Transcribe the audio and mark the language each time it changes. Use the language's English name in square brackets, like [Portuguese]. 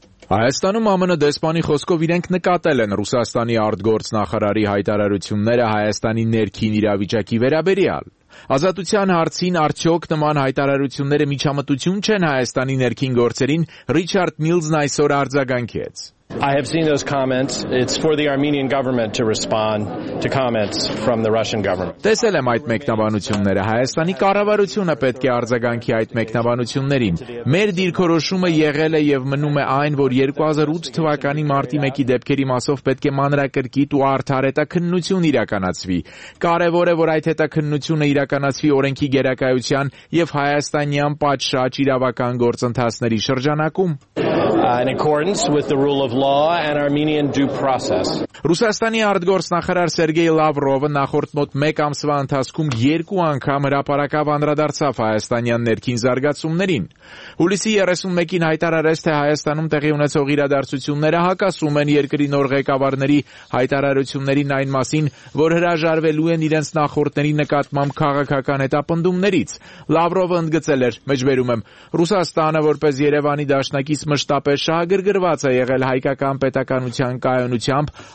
[Armenian] Հայաստանում ԱՄՆ դեսպանի խոսքով իրենք նկատել են Ռուսաստանի արտգործ նախարարի հայտարարությունները Հայաստանի ներքին իրավիճակի վերաբերյալ։ Ազատության հարցին արդյոք նման հայտարարությունները միջամտություն չեն Հայաստանի ներքին գործերին, Ռիչարդ Միլզն այսօր արձագանքեց։ [English] I have seen those comments. It's for the Armenian government to respond to comments from the Russian government. [Armenian] Տեսել եմ այդ մեկնաբանությունները, Հայաստանի կառավարությունը պետք է արձագանքի այդ մեկնաբանություններին։ Մեր դիրքորոշումը եղել է եւ մնում է այն, որ 2008 թվականի մարտի 1-ի դեպքերի մասով պետք է մանրակրկիտ ու արդար հետաքննություն իրականացվի։ Կարևոր է, որ այդ հետաքննությունը իրականացվի օրենքի գերակայության եւ հայաստանյան պատշաճ իրավական գործընթացների շրջանակում։ [English] In accordance with the rule of law and Armenian due process. [Armenian] Ռուսաստանի արտգործնախարար Սերգեյ Լավրովը նախորդ մոտ 1 ամսվա ընթացքում 2 անգամ հրապարակավ անդրադարձավ հայաստանյան ներքին զարգացումներին։ Հուլիսի 31-ին հայտարարեց, թե Հայաստանում տեղի ունեցող իրադարձությունները հակասում են երկրի նոր ղեկավարների հայտարարություններին այն մասին, որ հրաժարվելու են իրենց նախորդների նկատմամբ քաղաքական հետապնդումներից։ Լավրովը ընդգծել էր, մեջբերում եմ, Ռուսաստանը որպես Երևանի դաշնակից մշտապես շահագրգռված է եղել հայկական պետականության կայունությամբ,